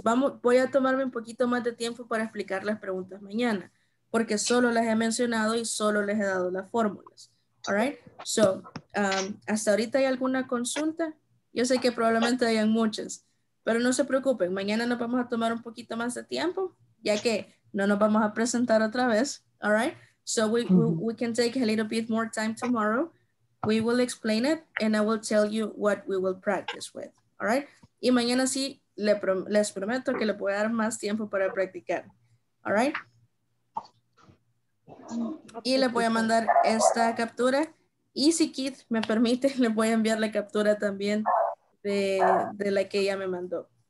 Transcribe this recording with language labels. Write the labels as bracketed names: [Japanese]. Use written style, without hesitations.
[Spanish] Voy a tomarme un poquito más de tiempo para explicar las preguntas mañana porque solo las he mencionado y solo les he dado las fórmulas. [English] All right, so [Spanish] hasta ahorita hay alguna consulta. Yo sé que probablemente hayan muchas, pero no se preocupen. Mañana nos vamos a tomar un poquito más de tiempo, ya que no nos vamos a presentar otra vez. [English] All right, so we can take a little bit more time tomorrow. We will explain it and I will tell you what we will practice with. [Spanish] All right, y mañana sí les prometo que le voy a dar más tiempo para practicar. All right. Y le voy a mandar esta captura y si Keith me permite le voy a enviar la captura también de la que ella me mandó.